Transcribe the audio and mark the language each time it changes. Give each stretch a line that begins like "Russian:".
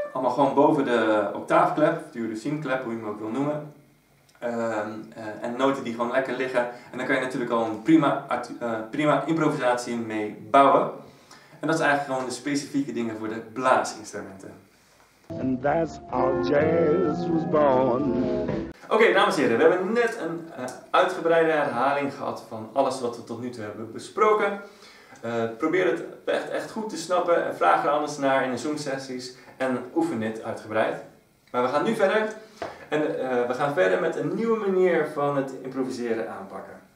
Dutch: gewoon boven de octaafklep, de duodecimklep, hoe je hem ook wil noemen. En noten die gewoon lekker liggen. En dan kan je natuurlijk al een prima, prima improvisatie mee bouwen. En dat is eigenlijk gewoon de specifieke dingen voor de blaasinstrumenten.
English: And that's how jazz was born.
Dutch: Oké, dames en heren, we hebben net een uitgebreide herhaling gehad van alles wat we tot nu toe hebben besproken. Probeer het echt goed te snappen en vraag er anders naar in de Zoom-sessies en oefen dit uitgebreid. Maar we gaan nu verder en we gaan verder met een nieuwe manier van het improviseren aanpakken.